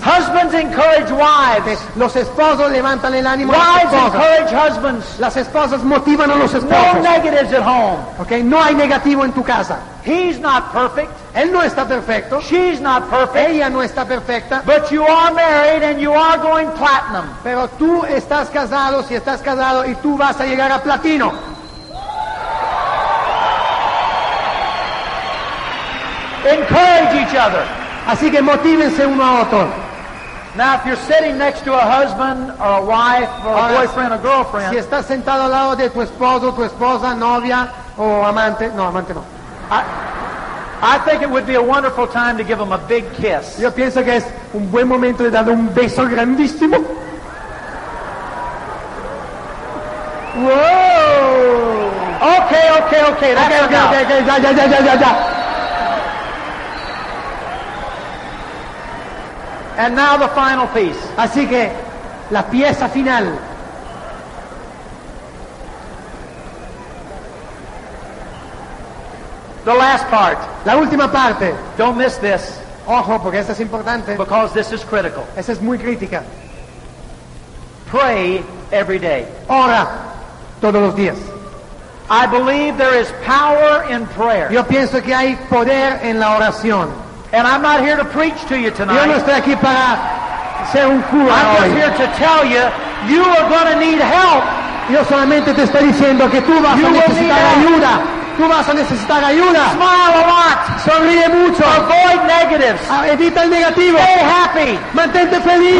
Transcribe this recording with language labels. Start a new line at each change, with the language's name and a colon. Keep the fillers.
English: Husbands encourage wives.
Spanish: Los esposos levantan el ánimo wives a encourage husbands. Las esposas motivan a los esposos.
English: No negatives at home.
Spanish: Okay, no hay negativo en tu casa.
English: He's not perfect.
Spanish: Él no está perfecto.
English: She's not perfect.
Spanish: Ella no está perfecta.
English: But you are married and you are going platinum.
Spanish: Pero tú estás casado, si estás casado y tú vas a llegar a platino.
English: Encourage each other.
Spanish: Así que motívense uno a otro.
English: Now, if you're sitting next to a husband or a wife or a boyfriend or a...
Spanish: Boyfriend, a girlfriend, si estás sentado al lado de tu esposo, tu esposa, novia o amante, no amante no.
English: I, I think it would be a wonderful time to give him a big kiss.
Spanish: Yo pienso que es un buen momento de darle un beso grandísimo.
English: Whoa! Okay, okay okay. okay, okay. okay, okay, okay, okay.
Spanish: Ya, ya, ya, ya, ya,
English: And now the final piece.
Spanish: Así que la pieza final.
English: The last part.
Spanish: La última parte.
English: Don't miss this.
Spanish: Ojo, porque esto es importante.
English: Because this is critical.
Spanish: Esa es muy crítica.
English: Pray every day.
Spanish: Ora todos los días.
English: I believe there is power in prayer.
Spanish: Yo pienso que hay poder en la oración.
English: And I'm not here to preach to you tonight.
Spanish: Yo no estoy aquí para ser un cura I'm no just hoy.
English: here to tell you, you are going to need help.
Spanish: Yo solamente te estoy diciendo que tú vas you a necesitar ayuda. Help. Tú vas a necesitar ayuda.
English: Smile a lot.
Spanish: Sonríe mucho.
English: Avoid negatives.
Spanish: Uh, evita el negativo.
English: Stay happy.
Spanish: Mantente feliz.